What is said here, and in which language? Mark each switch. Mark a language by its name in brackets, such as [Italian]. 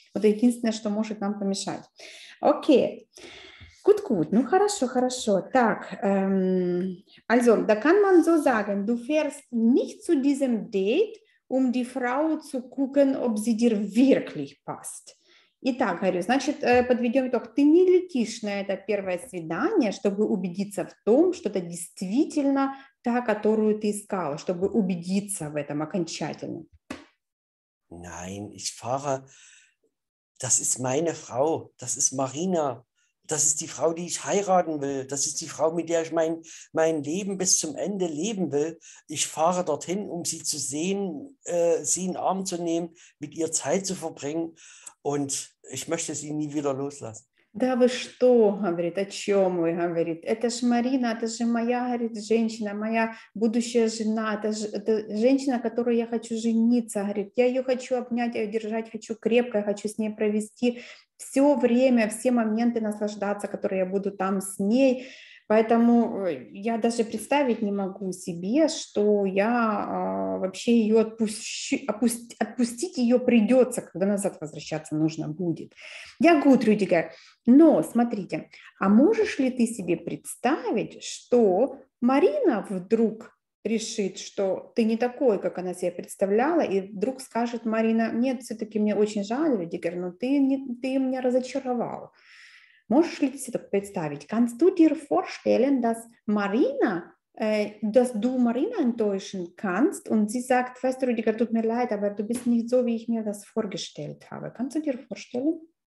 [Russian] Вот единственное, что может нам помешать. Окей. Gut. Ну хорошо, хорошо. [German] Так, also, da kann man so sagen, du fährst nicht zu diesem Date, um die Frau zu gucken, ob sie dir wirklich passt. [Russian] Итак, говорю, значит, подведем итог. Ты не летишь на это первое свидание, чтобы убедиться в том, что это действительно та, которую ты искал, чтобы убедиться в этом окончательно. [German] Nein, ich fahre, das ist meine Frau, das ist Marina, das ist die Frau, die ich heiraten will, das ist die Frau, mit der ich mein Leben bis zum Ende leben will. Ich fahre dorthin, um sie zu sehen, sie in den Arm zu nehmen, mit ihr Zeit zu verbringen. Und ich möchte sie nie wieder loslassen. [Russian] Да вы что, говорит, о чем вы, говорит, это же Марина, это же моя, говорит, женщина, моя будущая жена, это женщина, которую я хочу жениться, говорит, я ее хочу обнять, ее держать, хочу крепко, я хочу с ней провести все время, все моменты наслаждаться, которые я буду там с ней, поэтому я даже представить не могу себе, что я вообще ее отпустить ее придется, когда назад возвращаться нужно будет. Я гуд, Рюдига. Но, смотрите, а можешь ли ты себе представить, что Марина вдруг решит, что ты не такой, как она себе представляла, и вдруг скажет Марина, нет, все-таки мне очень жаль, Рюдигер, но ты меня разочаровал. Можешь ли ты себе представить? [German] Kannst du dir vorstellen, dass du Marina enttäuschen kannst und sie sagt, weißt du, Rüdiger, tut mir leid, aber du bist nicht so, wie ich mir das vorgestellt habe. Kannst du dir vorstellen?